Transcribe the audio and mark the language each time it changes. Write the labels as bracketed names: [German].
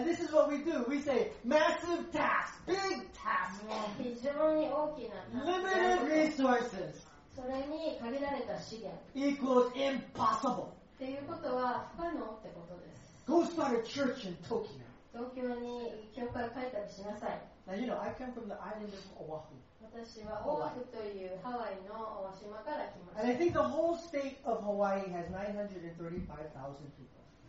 [English] And this is what we do. We say massive task, big task. [Japanese] 非常に大きな。 [English] Limited resources. [Japanese] それに限られた資源。 [English] Equals impossible. [Japanese] っていうことは不可能ってことです。 [English] Go start a church in Tokyo. [Japanese] 東京に教会を開拓しなさい。 [English] Now you know I come from the island of Oahu. [Japanese] 私はオアフというハワイの島から来ました。 [English] And I think the whole state of Hawaii has 935,000 people.